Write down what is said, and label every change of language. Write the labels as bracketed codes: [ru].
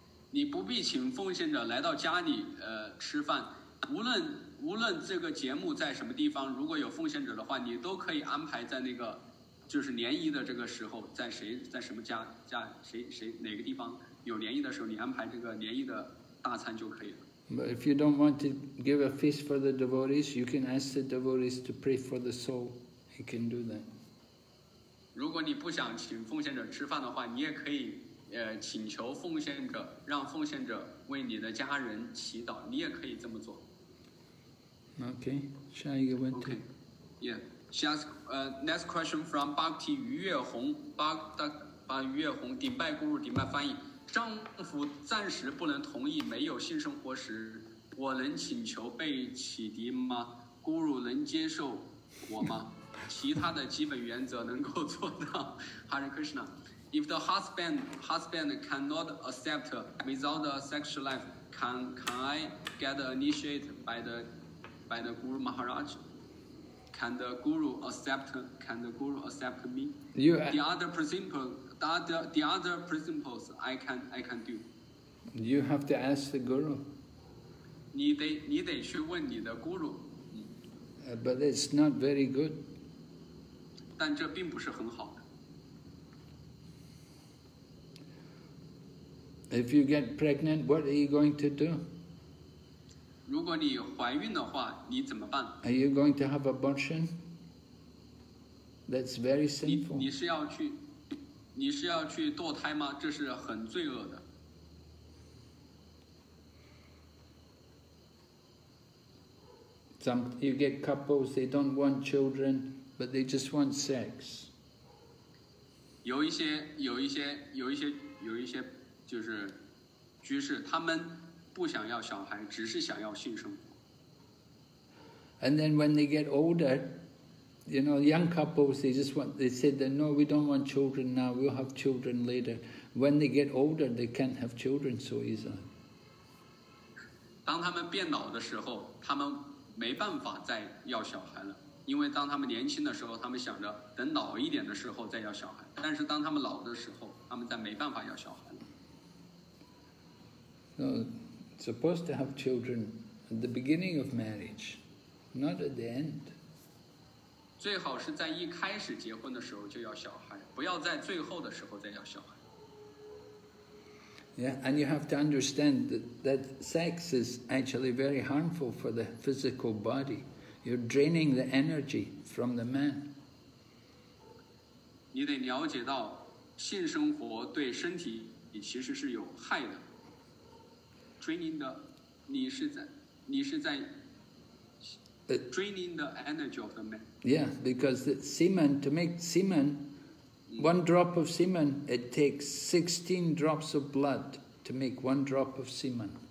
[zh] 你不必请奉献者来到家里吃饭，无论这个节目在什么地方，如果有奉献者的话，你都可以安排在那个就是联谊的这个时候，在谁在什么家谁哪个地方有联谊的时候，你安排这个联谊的大餐就可以了。 [en] But if you don't want to give a feast for the devotees, you can ask the devotees to pray for the soul. You can do that. [zh] 如果你不想请奉献者吃饭的话，你也可以请求奉献者，让奉献者为你的家人祈祷，你也可以这么做。 OK， 下一个问题。 [en] OK， yeah， she ask next question from Bhakti [zh] 于月红， Bhakti 于月红，顶拜 Guru， 顶拜翻译，丈夫暂时不能同意没有性生活时，我能请求被启迪吗？ Guru 能接受我吗？其他的基本原则能够做到。 [en] Hare Krishna. If the husband cannot accept without a sexual life, can I get initiated by the Guru Maharaj? Can the Guru accept me? The other principles I can do. You have to ask the Guru. [zh] 你得去问你的 Guru. [en] But it's not very good. [zh] 但这并不是很好的。 [en] If you get pregnant, what are you going to do? [zh] 如果你怀孕的话，你怎么办？ [en] Are you going to have abortion? That's very sinful. [zh] 你是要去堕胎吗？这是很罪恶的。 [en] You get couples, they don't want children. But they just want sex. [zh] 有一些就是居士，他们不想要小孩，只是想要性生活。 [en] And then when they get older, you know, young couples, they say that no, we don't want children now, we'll have children later. When they get older, they can't have children so easily. [zh] 当他们变老的时候，他们没办法再要小孩了。因为当他们年轻的时候，他们想着等老一点的时候再要小孩，但是当他们老的时候，他们再没办法要小孩了。 [en] No, supposed to have children at the beginning of marriage, not at the end. [zh] 最好是在一开始结婚的时候就要小孩，不要在最后的时候再要小孩。 [en] Yeah, and you have to understand that sex is actually very harmful for the physical body. You're draining the energy from the man. [zh] 你得了解到性生活对身体其实是有害的。 [en] Draining the, [zh] 你是在 [en] draining the energy of the man. Yeah, because the semen, to make semen, one drop of semen, it takes 16 drops of blood to make one drop of semen.